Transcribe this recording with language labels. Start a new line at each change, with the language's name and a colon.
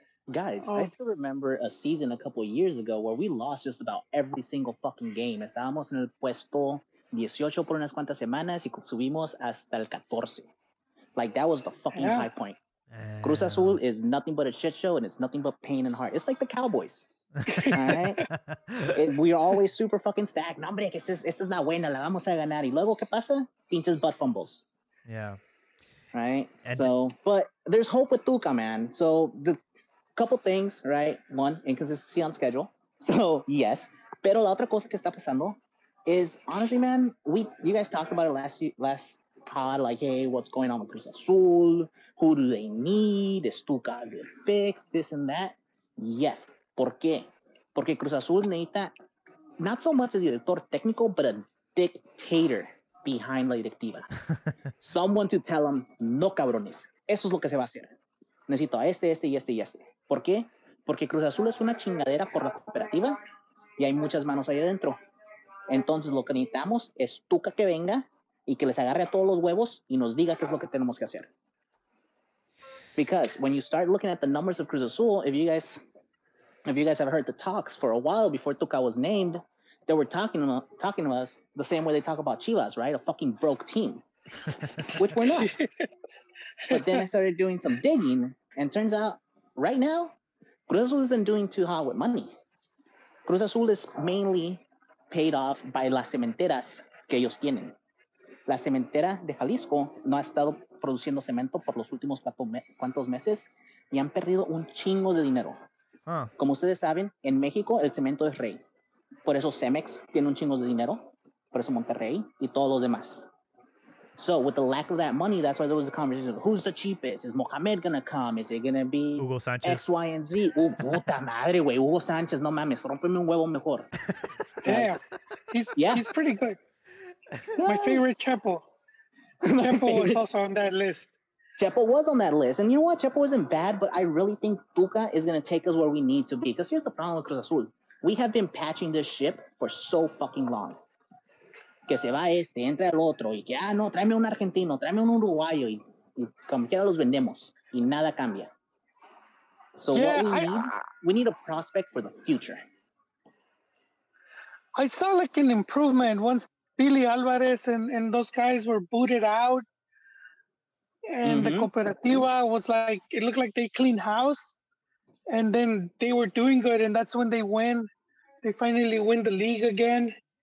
English: Guys, I still remember a season a couple of years ago where we lost just about every single fucking game.
Spanish: Estábamos en el puesto 18 por unas cuantas semanas y subimos hasta el 14.
English: Like, that was the fucking high point. Cruz Azul is nothing but a shit show, and it's nothing but pain and heart. It's like the Cowboys. All right? We are always super fucking stacked.
Spanish: No, hombre, esta es la buena, la vamos a ganar. Y luego, ¿qué pasa? Pinches
English: butt fumbles. Yeah. Right? And so, but there's hope with Tuca, man. So, the couple things, right? One, inconsistency on schedule. So, yes.
Spanish: Pero la otra cosa que está pasando,
English: is honestly, man, you guys talked about it last pod, like, hey, what's going on with Cruz Azul? Who do they need? Is Tuca a good fix? This and that. Yes.
Spanish: ¿Por qué? Porque Cruz Azul necesita
English: not so much a director técnico, but a dictator behind
Spanish: la directiva.
English: Someone to tell them,
Spanish: no cabrones. Eso es lo que se va a hacer. Necesito a este, este y este y este. ¿Por qué? Porque Cruz Azul es una chingadera por la cooperativa y hay muchas manos ahí adentro. Entonces lo que necesitamos es Tuca que venga y que les agarre a todos los huevos y nos diga qué es lo que tenemos que hacer.
English: Because when you start looking at the numbers of Cruz Azul, if you guys have heard the talks for a while before Tuca was named, they were talking to us the same way they talk about Chivas, right? A fucking broke team, which we're not. But then I started doing some digging, and turns out right now, Cruz Azul isn't doing too hot with money. Cruz Azul is mainly paid off by
Spanish: las cementeras que ellos tienen. La cementera de Jalisco no ha estado produciendo cemento por los últimos cuantos meses y han perdido un chingo de dinero. Huh. Como ustedes saben, en México el cemento es rey. Por eso Cemex tiene un chingo de dinero, por eso Monterrey y todos los demás.
English: So with the lack of that money, that's why there was a conversation of who's the cheapest? Is Mohamed gonna come? Is it gonna be Hugo Sanchez? X, Y, and Z?
Spanish: Oh, puta madre, güey. Hugo Sanchez, no mames. Rompeme un huevo mejor.
English: He's pretty good. My favorite, Chepo. Chepo was also on that list. Chepo was on that list. And you know what? Chepo isn't bad, but I really think Tuca is gonna take us where we need to be. Because here's the problem with Cruz Azul. We have been patching this ship for so fucking long.
Spanish: Que se va este, entra el otro, y que, ah, no, tráeme un argentino, tráeme un uruguayo, y como quiera los vendemos, y nada cambia.
English: So yeah, we need a prospect for the future. I saw, like, an improvement once Billy Alvarez and those guys were booted out, and mm-hmm. the cooperativa was like, it looked like they cleaned house, and then they were doing good, and that's when they finally win the league again.